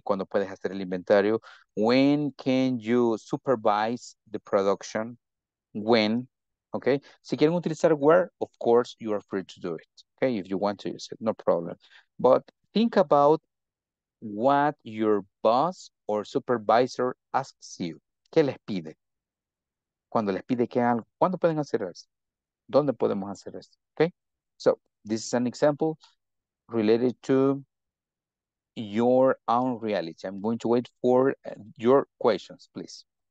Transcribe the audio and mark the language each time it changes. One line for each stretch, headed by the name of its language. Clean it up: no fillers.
Spanish: ¿Cuándo puedes hacer el inventario?
English: When can you supervise the production? When, okay?
Spanish: Si quieren utilizar where,
English: of course, you are free to do it, okay? If you want to use it, no problem. But think about what your boss or supervisor asks you.
Spanish: ¿Qué les pide? Cuando les pide que algo, ¿cuándo pueden hacer eso? ¿Dónde podemos hacer eso? Okay?
English: So, this is an example related to your own reality. I'm going to wait for your questions, please.